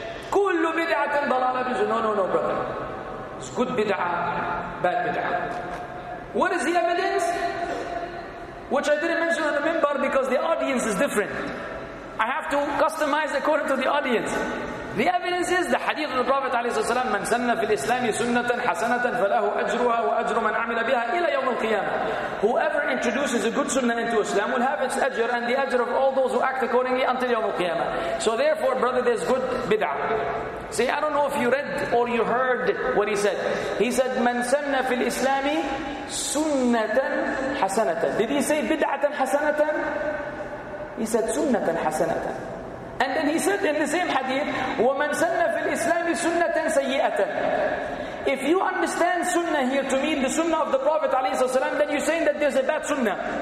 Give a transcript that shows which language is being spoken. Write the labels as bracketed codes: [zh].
[en] Kullu bid'atin dalala. No, brother. It's good bid'ah, bad bid'ah. What is the evidence? Which I didn't mention on the minbar because the audience is different. I have to customize according to the audience. The evidence is the hadith of the Prophet [ar] ﷺ, من سن في الإسلام سنة حسنة فله أجرها وأجر من عمل بها إلى يوم القيامة. [en] Whoever introduces a good sunnah into Islam will have its ajr and the ajr of all those who act accordingly until [ar] يوم القيامة. [en] So therefore, brother, there's good bid'ah. See, I don't know if you read or you heard what he said. He said, [ar] من سن في الإسلام سنة حسنة. [en] Did he say [ar] بدعة حسنة? [en] He said [ar] سنة حسنة. [en] And then he said in the same hadith, [ar] وَمَنْ سَنَّ فِي الْإِسْلَامِ سُنَّةً سَيِّئَةً. [en] If you understand sunnah here to mean the sunnah of the Prophet ﷺ, then you're saying that there's a bad sunnah.